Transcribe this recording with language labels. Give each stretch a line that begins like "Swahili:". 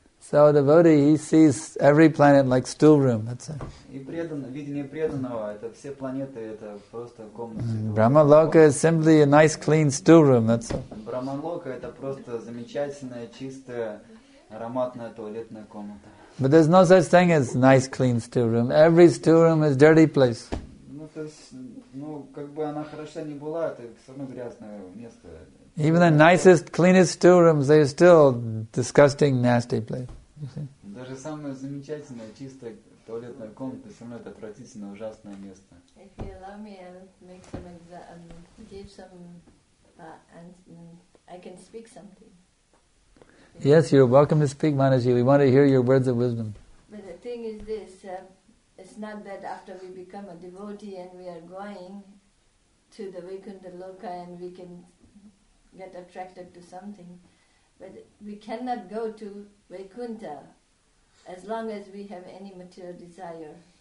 English: So a devotee, he sees every planet like stool room. That's it.
Russian: И преданное видение преданного – это все планеты, это просто комната.
English: Брахмалока is simply a nice, clean stool room. That's it.
Russian: Брахмалока – это просто замечательная, чистая, ароматная туалетная комната.
English: But there's no such thing as nice, clean stool room. Every stool room is dirty place.
Russian: Ну то есть, ну как бы она хороша не была, это все равно грязное место.
English: Even the nicest, cleanest stool rooms, they are still disgusting, nasty place.
Russian: Даже самая замечательная, чистая туалетная комната, все равно это отвратительное, ужасное место.
English: If you allow me, I'll make some give some and I can speak something. Yes, you're welcome to speak, Manaji. We want to hear your words of wisdom. But the thing is this, it's not that after we become a devotee and we are going to the Vaikuntha Loka and we can get attracted to something, but we cannot go to Vaikuntha as long as we have any material desire.